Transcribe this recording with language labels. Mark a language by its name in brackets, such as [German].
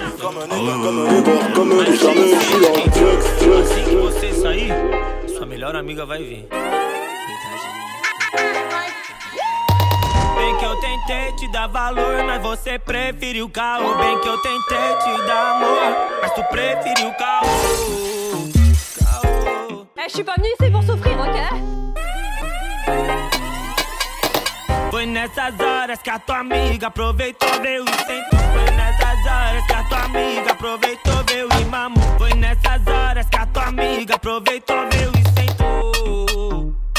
[Portuguese] Assim que você sair, sua melhor amiga vai vir. Bem que eu tentei te dar valor, mas você preferiu o caô. Bem que eu tentei te dar amor, mas tu preferiu o caô. [French] Eh, je suis pas venu ici pour souffrir, ok? [Portuguese] Foi nessas horas que a tua amiga aproveitou, veio e sentou. Foi nessas horas que a tua amiga aproveitou, veio e mamou. Foi nessas horas que a tua amiga aproveitou, veio e sentou.